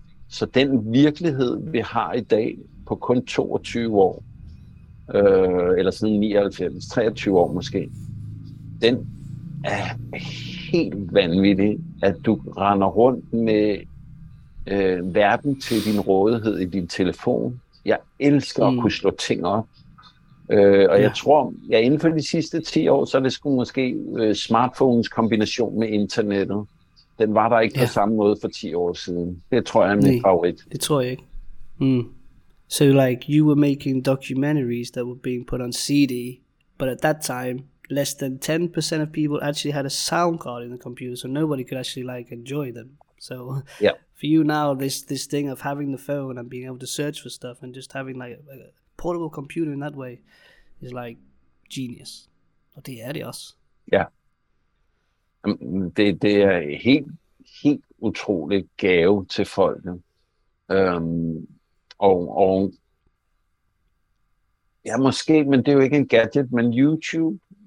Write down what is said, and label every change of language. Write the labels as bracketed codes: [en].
[da] Så den virkelighed, vi har i dag, på kun 22 år, eller siden 99, 23 år måske, den er helt vanvittig, at du render rundt med verden til din rådighed i din telefon. Jeg elsker at kunne slå ting op. Og jeg tror, ja, inden for de sidste 10 år, så er det sgu måske smartphones kombination med internettet. Den var der ikke på samme måde for 10 år siden. Det tror jeg er min favorit. Det tror jeg ikke. [en] So like, you were making documentaries that were being put on CD But at that time, less than 10% of people actually had a sound card in the computer, so nobody could actually like enjoy them. So for you now, this thing of having the phone and being able to search for stuff and just having like a portable computer in that way is like genius. [da] Og det er det også. Ja. Det er helt, helt utrolig gave til folket. Og ja, måske, men det er jo ikke en gadget, men YouTube.